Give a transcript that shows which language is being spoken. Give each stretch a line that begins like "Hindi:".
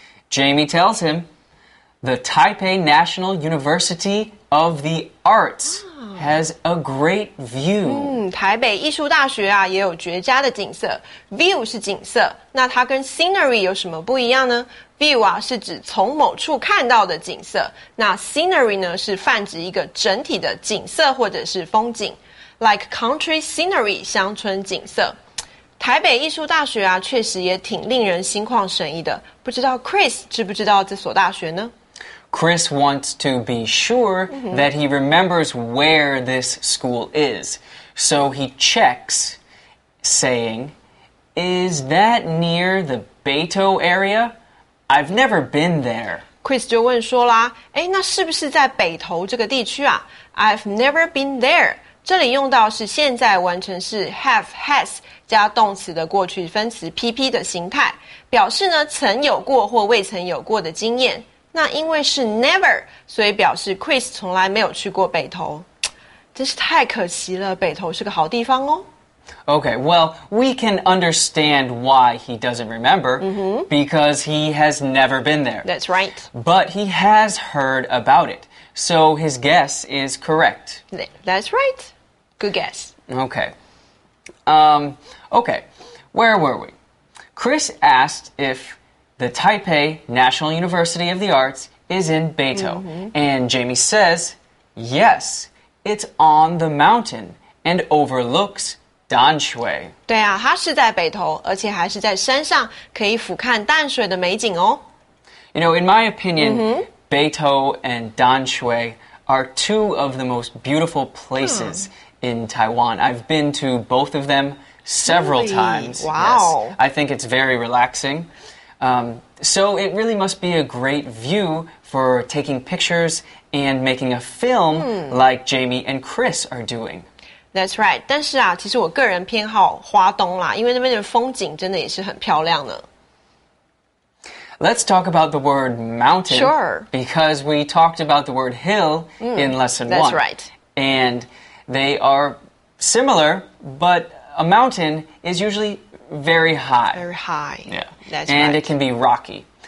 English: Jamie tells him, the Taipei National University of the Arts has a great view.
Chinese: 台北艺术大学啊，也有绝佳的景色。 View 是景色，那它跟 scenery 有什么不一样呢？ View 啊，是指从某处看到的景色。那 scenery 呢，是泛指一个整体的景色或者是风景。
English: Like country scenery,
Chinese: 乡村景色。台北艺术大学啊，确实也挺令人心旷神怡的。不知道 Chris 知不知道这所大学呢？
English: Chris wants to be sure that he remembers where this school is. So he checks, saying, is that near the Beito area? I've never been there.
Chinese: Chris 就问说啦，诶，那是不是在北投这个地区啊？
English: I've never been there.
Chinese: 这里用到是现在完成式 have, has 加动词的过去分词 PP 的形态，表示呢曾有过或未曾有过的经验。那因为是 never, 所以表示 Chris 从来没有去过北投。真是太可惜了，北投是个好地方哦。
English: Okay, well, we can understand why he doesn't remember, because he has never been there. That's right. But he has heard about it. So his guess is correct. That's right. Good guess. Okay. Okay. Where were we? Chris asked if the Taipei National University of the Arts is in Beito. And Jamie says, yes, it's on the mountain and overlooks淡水。
Chinese: 对啊，它是在北投，而且还是在山上，可以俯瞰淡水的美景哦。
English: You know, in my opinion,Beito and Danshui are two of the most beautiful places in Taiwan. I've been to both of them several times. Wow. Yes, I think it's very relaxing. So it really must be a great view for taking pictures and making a film like Jamie and Chris are doing. That's right.
Chinese: 但是啊，其实我个人偏好花东啦，因为那边的风景真的也是很漂亮的。
English: Let's talk about the word mountain. Sure. Because we talked about the word hill in lesson that's one. That's right. And they are similar, but a mountain is usually very high. Very high. Yeah. That's and right. it can be rocky.